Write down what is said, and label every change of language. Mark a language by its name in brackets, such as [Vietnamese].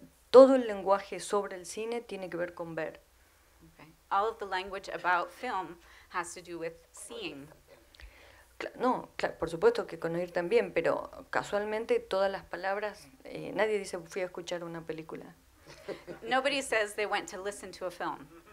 [Spanish] Todo el lenguaje sobre el cine tiene que ver con ver. [English] Okay. All of the language about film has to do with seeing. [Spanish] Claro, por supuesto que con oír también, pero casualmente todas las palabras, nadie dice fui a escuchar una película. [English] Nobody says they went to listen to a film.